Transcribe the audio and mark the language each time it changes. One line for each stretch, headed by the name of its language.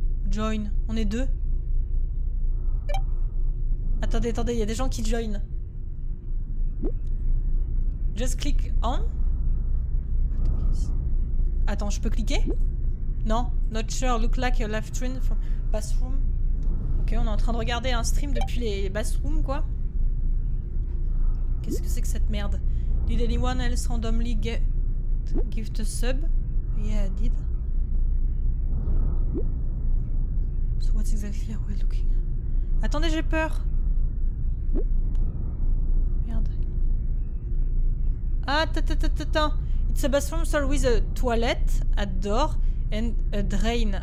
French: Join. On est deux. Attendez, attendez, il y a des gens qui join.
English: Just click on.
French: Attends, je peux cliquer? Non.
English: Not sure. Look like a live stream from bathroom.
French: Ok, on est en train de regarder un stream depuis les bathrooms, quoi. Qu'est-ce que c'est que cette merde?
English: Did anyone else randomly give a sub? Yeah, I did. So what exactly are we looking?
French: Attendez, j'ai peur! Merde.
English: Ah, it's a bathroom stall with a toilet, a door, and a drain.